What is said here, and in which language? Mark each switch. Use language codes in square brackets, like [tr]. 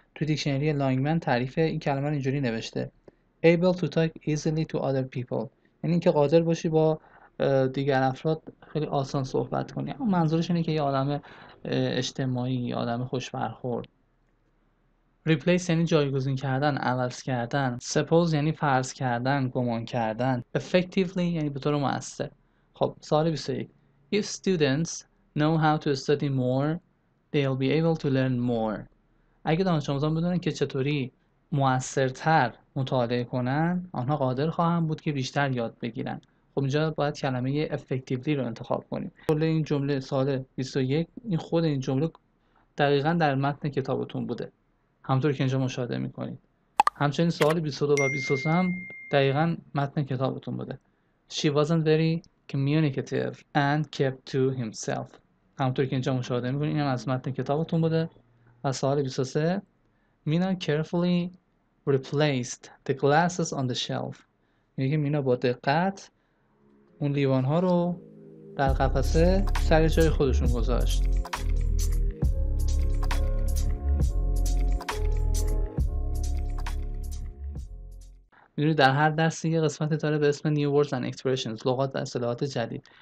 [fa] تو دیکشنری لانگمن تعریف این کلمه رو اینجوری نوشته: [en] able to talk easily to other people، [fa] یعنی اینکه قادر باشی با دیگر افراد خیلی آسان صحبت کنی. اما منظورش اینه که یه آدم اجتماعی، آدم خوش برخورد. replace یعنی جایگزین کردن، عوض کردن. suppose یعنی فرض کردن، گمان کردن. effectively یعنی به طور مؤثر. خب سوال 21: [en] if students know how to study more they'll be able to learn more. [fa] اگه دانش آموزان بدونن که چطوری مؤثرتر مطالعه کنن، آنها قادر خواهند بود که بیشتر یاد بگیرن. خب اینجا باید کلمه effectively رو انتخاب کنیم. کل این جمله سال 21، این خود این جمله دقیقا در متن کتابتون بوده، همطور که اینجا مشاهده میکنید. همچنین سال 22 و 23 هم دقیقا متن کتابتون بوده: [en] She wasn't very communicative and kept to himself. [fa] همطور که اینجا مشاهده میکنید، این هم از متن کتابتون بوده. و سال 23: [en] Mina carefully replaced the glasses on the shelf. [fa] یعنی که مینا با دقت اون لیوان ها رو در قفسه سر جای خودشون گذاشت. میدونید در هر درسی یه قسمت داره به اسم New Words and Expressions، لغات و اصطلاحات جدید.